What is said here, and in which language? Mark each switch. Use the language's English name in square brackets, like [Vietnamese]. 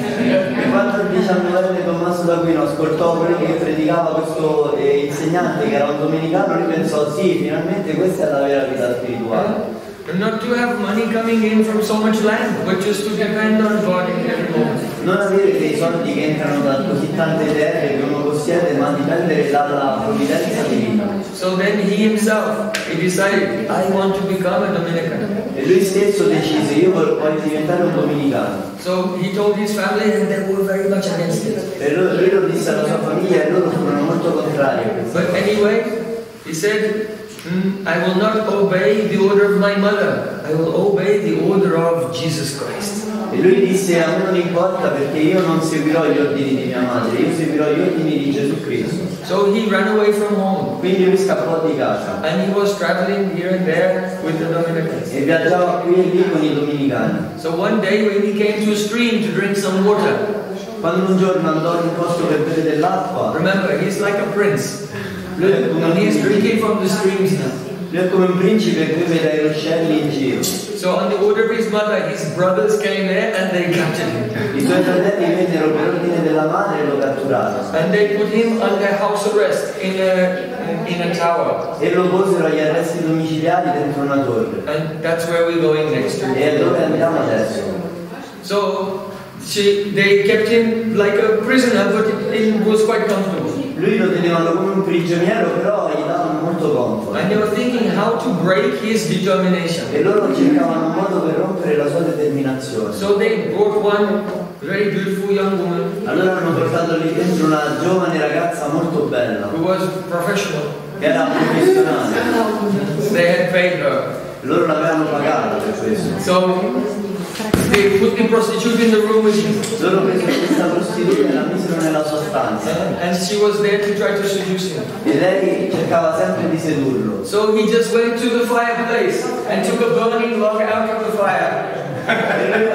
[Italian] E quando il 19enne Tommaso d'Aquino ascoltò quello che predicava questo insegnante che era un domenicano, lui pensò, sì, finalmente questa è la vera vita spirituale. [English] And not to have money coming in from so much land, but just to depend on God in every moment. [Italian] Non avere dei soldi che entrano da così tante terre che uno possiede, ma dipendere dalla provvidenza divina. [English] So then he himself, he decided, I want to become a Dominican. [Italian] E lui stesso decise, io voglio diventare un Dominicano. [English] So he told his family and they were very much against it. [Italian] E lui lo disse alla sua famiglia e loro furono molto contrari. [English] But anyway, he said, I will not obey the order of my mother. I will obey the order of Jesus Christ. [Italian] E lui disse, a me non importa perché io non seguirò gli ordini di mia madre, io seguirò gli ordini di Gesù Cristo. [English] So he ran away from home. [Italian] Quindi lui scappò di casa. [English] And he was traveling here and there with the Dominicans. [Italian] E viaggiava qui e lì con i Dominicani. [English] So one day when he came to a stream to drink some water. [Italian] Quando un giorno andò in un posto per bere dell'acqua. [English] Remember, he's like a prince. And he's drinking from the streams now. [Italian] Lui è come un principe che beve dai ruscelli in giro. [English] So on the order of his mother, his brothers came there and they captured him. [Italian] I suoi fratelli vennero per ordine della madre e lo catturarono. [English] And they put him under house arrest in a tower. [Italian] E lo posero agli arresti domiciliari dentro una torre. [English] And that's where we're going next. [Italian] E dove andiamo adesso? [English] So they kept him like a prisoner, but he was quite comfortable. [Italian] Lui lo tenevano come un prigioniero, però gli davano molto comfort. [English] And they were thinking how to break his determination. [Italian] E loro cercavano un modo per rompere la sua determinazione. [English] So they brought one very beautiful young woman. [Italian] Allora hanno portato lì dentro una giovane ragazza molto bella. [English] Who was professional. [Italian] Che era professionale. [English] They had paid her. [Italian] Loro l'avevano pagata per questo. [English] So they put the prostitute in the room with him. [Italian] Loro presero questa prostituta e la misero nella sua stanza. [English] And she was there to try to seduce him. [Italian] E lei cercava sempre di sedurlo. [English] So he just went to the fireplace and took a burning log out of the fire.